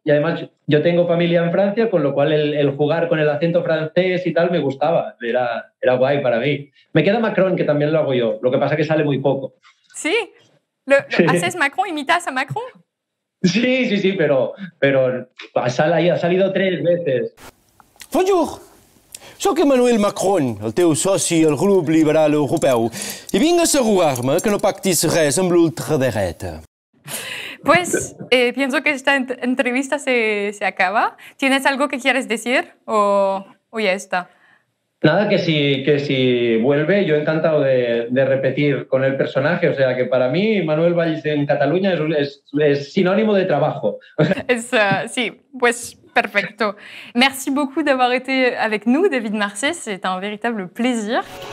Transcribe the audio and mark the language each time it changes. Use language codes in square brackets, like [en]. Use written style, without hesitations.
[es] Y además yo tengo familia en Francia, con lo cual el jugar con el acento francés y tal me gustaba. Era guay para mí. Me queda Macron, que también lo hago yo. Lo que pasa es que sale muy poco. ¿Sí? ¿Haces Macron? ¿Imitas a Macron? Sí, sí, sí, pero ha salido tres veces. [fr] ¡Bonjour! [ca] Soc Emmanuel Macron, el teu soci al grup liberal europeu, i vinc a assegurar-me que no pactis res amb l'ultradereta. [es] Pues, pienso que esta entrevista se acaba. ¿Tienes algo que quieres decir o ya está? Nada, que si vuelve, yo encantado de repetir con el personaje. O sea, que para mí Manuel Valls en Cataluña es sinónimo de trabajo. Sí, pues... Perfecto. [fr] Merci beaucoup d'avoir été avec nous, David Marsais. C'est un véritable plaisir.